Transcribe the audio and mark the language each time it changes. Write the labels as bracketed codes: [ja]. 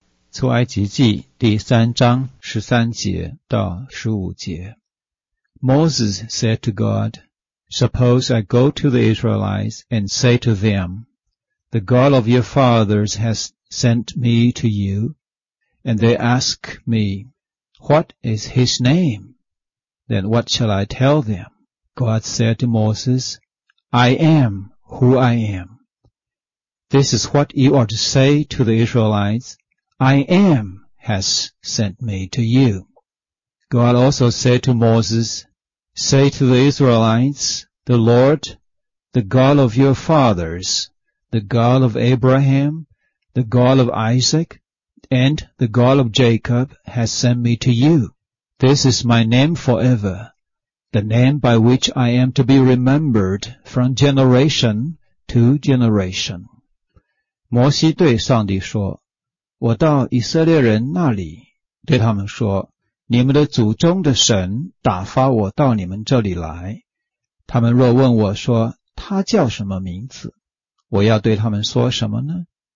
[zh] 出埃及记第三章十三节到十五节。 [en] Moses said to God, Suppose I go to the Israelites and say to them, The God of your fathers has sent me to you, and they ask me, What is his name? Then what shall I tell them? God said to Moses, I am. Who I am. This is what you are to say to the Israelites. I am has sent me to you. God also said to Moses, Say to the Israelites, The Lord, the God of your fathers, the God of Abraham, the God of Isaac, and the God of Jacob has sent me to you. This is my name forever. The name by which I am to be remembered from generation to generation. [zh] 摩西对上帝说，我到以色列人那里，对他们说，你们的祖宗的神打发我到你们这里来。他们若问我说，他叫什么名字？我要对他们说什么呢？